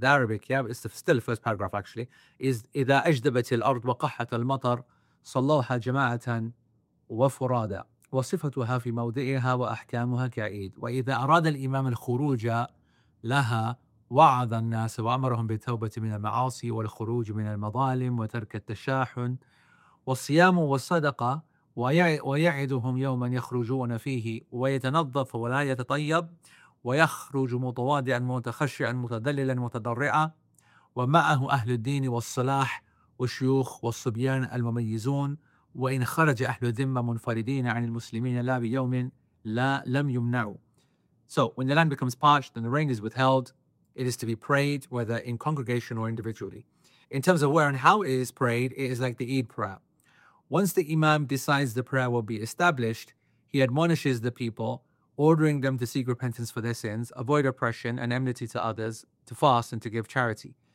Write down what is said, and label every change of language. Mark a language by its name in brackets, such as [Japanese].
[English] The Arabic, yeah, but it's still the first paragraph actually. [Arabic] Is إذا أجدبت الأرض وقحت المطر صلوها جماعة وفرادا وصفتها في موضعها وأحكامها كعيد وإذا أراد الإمام الخروج لها وعظ الناس وأمرهم بالتوبة من المعاصي والخروج من المظالم وترك التشاحن والصيام والصدقة ويعدهم يوما يخرجون فيه ويتنظف ولا يتطيب ويخرج متواضعا متخشعا متدللا متضرعا ومعه أهل الدين والصلاح والشيوخ والصبيان المميزون وإن خرج أهل الذمة منفردين عن المسلمين لا بيوم لا لم يمنعوا. [English] So when the land becomes parched and the rain is withheld, it is to be prayed whether in congregation or individually. In terms of where and how it is prayed, it is like the Eid prayer. Once the imam decides the prayer will be established, he admonishes the people, ordering them to seek repentance for their sins, avoid oppression and enmity to others, to fast and to give charity.